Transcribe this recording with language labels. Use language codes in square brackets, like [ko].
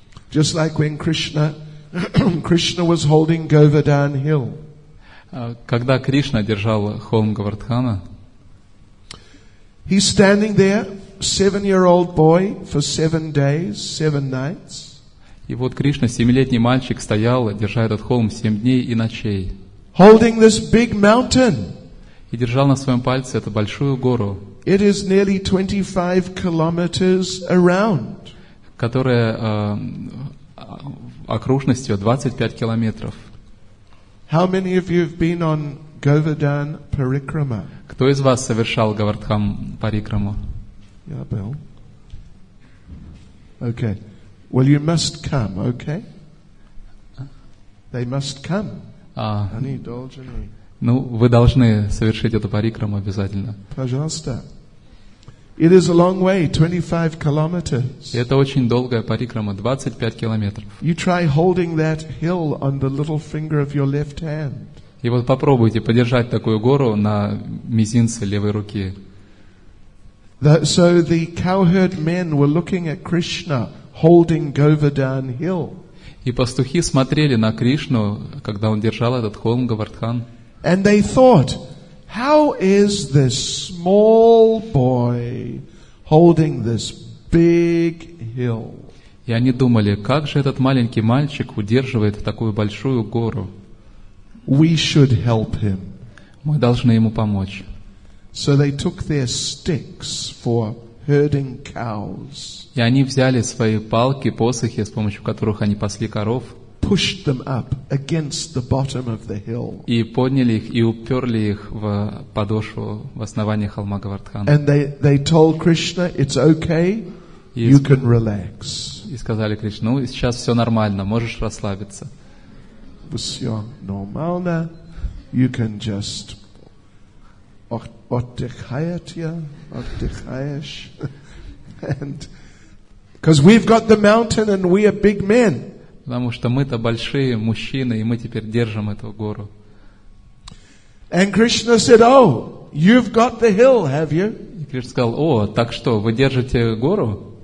[en] Just like when Krishna was holding Govardhan Hill. [ru] Когда Кришна держал холм Говардхана, [en] he's standing there, 7-year-old boy for 7 days, 7 nights. [ru] И вот Кришна, 7-летний мальчик, стоял, держа этот холм 7 дней и ночей. [en] Holding this big mountain. [ru] И держал на своем пальце эту большую гору. [en] It is nearly 25 kilometers around. [ru] Которая окружностью 25 километров. [en] How many of you have been on Govardhan Parikrama? [ru] Кто из вас совершал Говардхан Парикраму? Я был. [en] Okay. Well, you must come, okay? They must come. [ru] Они должны. Ну, вы должны совершить эту парикраму обязательно. Пожалуйста. [en] It is a long way, 25 kilometers. [ru] Это очень долгая парикрама, 25 километров. [en] You try holding that hill on the little finger of your left hand. [ru] И вот попробуйте подержать такую гору на мизинце левой руки. [en] So the cowherd men were looking at Krishna holding Govardhan Hill. [ru] И пастухи смотрели на Кришну, когда он держал этот холм Говардхан. [en] And they thought, how is this small boy holding this big hill? [ru] И они думали, как же этот маленький мальчик удерживает такую большую гору? [en] We should help him. [ru] Мы должны ему помочь. [en] So they took their sticks for herding cows. [ru] И они взяли свои палки, посохи, с помощью которых они пасли коров. [en] Pushed them up against the bottom of the hill. [ru] И подняли их и уперли их в подошву, в основание холма Говардхан. [en] And they told Krishna, it's okay, you can relax. [ru] И сказали Кришне, ну сейчас все нормально, можешь расслабиться. Все нормально, [en] you can just [ru] отдыхаешь, [en] and because we've got the mountain and we are big men. [ru] Потому что мы-то большие мужчины, и мы теперь держим эту гору. [en] And Krishna said, oh, you've got the hill, have you? [ru] И Кришна сказал, о, так что, вы держите гору?